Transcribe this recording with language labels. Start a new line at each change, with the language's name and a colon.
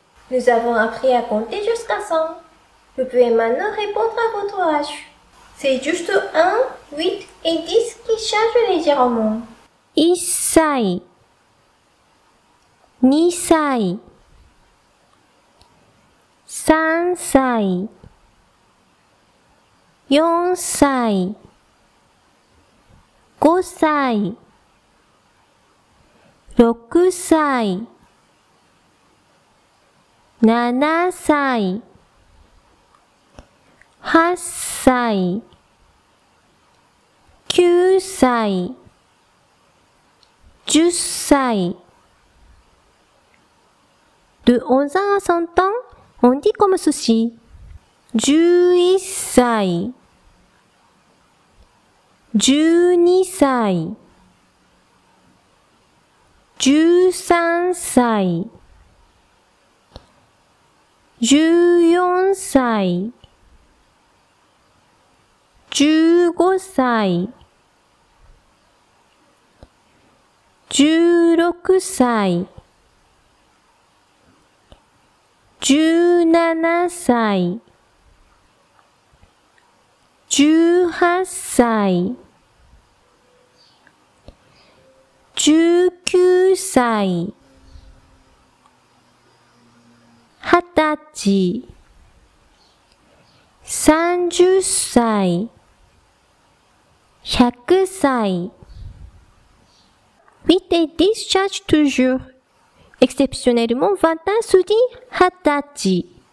French: Nous avons appris à compter jusqu'à 100. Vous pouvez maintenant répondre à votre âge. C'est juste 1, 8 et 10 qui changent légèrement.
Japanese: 1 歳 2 歳 3 歳 4 歳 5 歳 6 歳 7歳、8歳、9歳、10歳。
French: De 11 ans à 100 ans, on dit comme ceci.
Japanese: 11歳、12歳、13歳、14歳、15歳、 16歳、17歳、18歳、19歳、20歳、30歳、100歳。
French: 8 et 10 changent toujours. Exceptionnellement, 20 ans se dit 20歳.